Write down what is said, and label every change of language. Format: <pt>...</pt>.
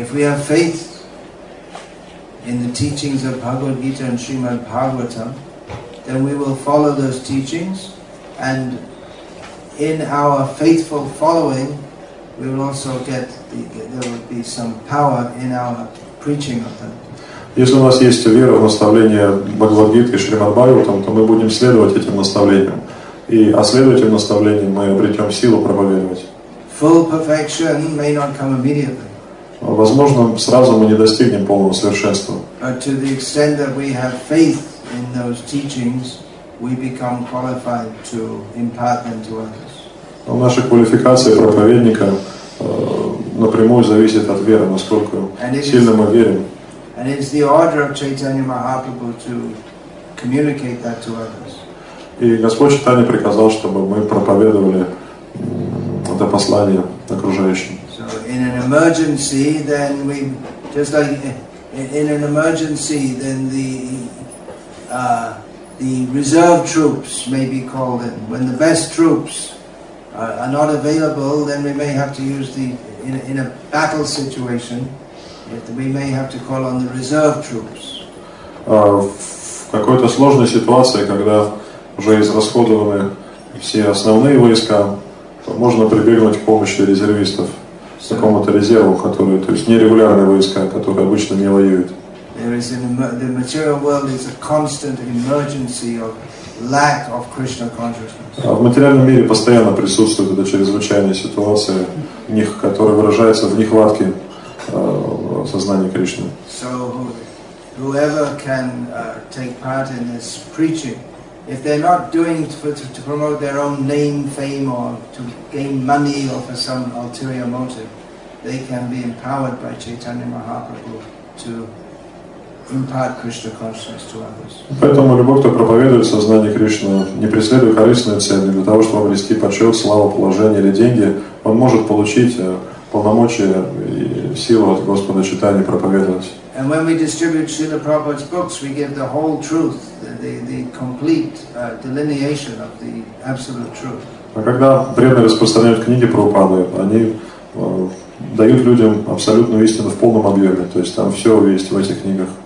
<en>If we have faith in the teachings of Bhagavad Gita and Srimad Bhagavatam, then we will follow those teachings, and in our faithful following, we will also get there will be some power in our preaching of them.</en> <ru>Если у нас есть вера в наставления Бхагавад Гиты и Шримад Бхагаватам, то мы будем следовать этим наставлениям, и о следовательном наставлении мы обретем силу проповедовать.</ru> <en>Full perfection may not come immediately.</en> <ru>Возможно, сразу мы не достигнем полного совершенства.</ru> <en>But to the extent that we have faith in those teachings, we become qualified to impart them to others.</en> <ru>Но наша квалификация проповедника напрямую зависит от веры, насколько сильно мы верим.</ru> <en>And it's the order of Chaitanya Mahaprabhu to communicate that to others.</en> <ru>И Господь Чайтанья приказал, чтобы мы проповедовали это послание окружающим.</ru> <en>In an emergency, then we just like in an emergency, then the reserve troops may be called in. When the best troops are not available, then we may have to use the in a battle situation, we may have to call on the reserve troops.</en> <ru>В какой-то сложной ситуации, когда уже израсходованы все основные войска, то можно прибегнуть к помощи резервистов. Какому-то резерву, который, то есть нерегулярные войска, которые обычно не воюют.</ru> <en>The material world is a constant emergency of lack of Krishna consciousness.</en> <ru>В материальном мире постоянно присутствует эта чрезвычайная ситуация, которая выражается в нехватке сознания Кришны.</ru> <en>So whoever can take part in this preaching, if they're not doing it to promote their own name, fame, or to gain money, or for some ulterior motive, they can be empowered by Chaitanya Mahaprabhu to impart Krishna consciousness to others.</en> <ru>Поэтому любой, кто проповедует сознание Кришны, не преследуя корыстные цели для того, чтобы обрести почет, славу, положение или деньги, он может получить полномочия и силу от Господа Чайтаньи проповедовать.</ru> <en>And when we distribute Srila Prabhupada's books, we give the whole truth, the complete delineation of the absolute truth.</en> <ru>А когда преданные распространяют книги Прабхупады, они дают людям абсолютную истину в полном объеме, то есть там все есть в этих книгах.</ru>